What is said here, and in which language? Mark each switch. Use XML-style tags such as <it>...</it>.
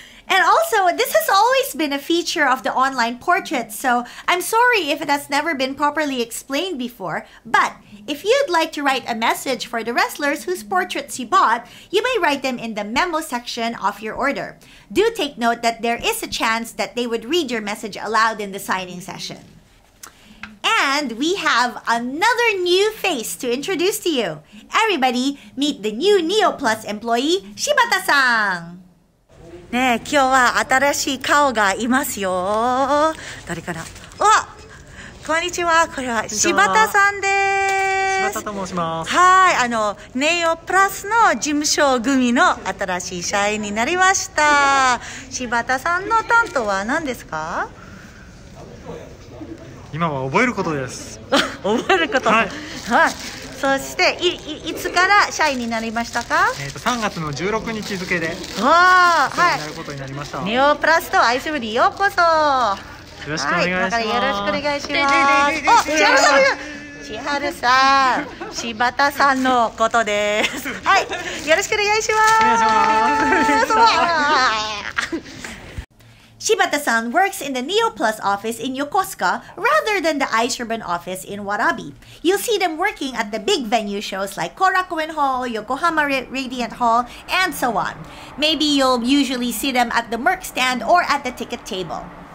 <en>And also, this has always been a feature of the online portrait, so I'm sorry if it has never been properly explained before, but if you'd like to write a message for the wrestlers whose portraits you bought, you may write them in the memo section of your order. Do take note that there is a chance that they would read your message aloud in the signing session. And we have another new face to introduce to you. Everybody, meet the new NeoPlus employee, Shibata-san!</en> <ja>ねえ、今日は新しい顔がいますよ。誰かな？わ、こんにちは。これは柴田さんでーす。柴田と申します。はい、あのネオプラスの事務所組の新しい社員になりました。柴田さんの担当は何ですか？今は覚えることです。覚えること。はい。はい、そしてい、つから社員になりましたか？ 3月の16日付で、はい、社員になることになりました。ネオプラスとアイスブリようこそ。よろしくお願いします。はい、よろしくお願いします。あ、千春さん、千春さん、柴田さんのことです。はい、よろしくお願いします。</ja> <en>柴田さん works in the NeoPlus office in Yokosuka rather than the Iceribbon office in Warabi. You'll see them working at the big venue shows like Korakuen Hall, Yokohama Radiant Hall, and so on. Maybe you'll usually see them at the merch stand or at the ticket table.</en>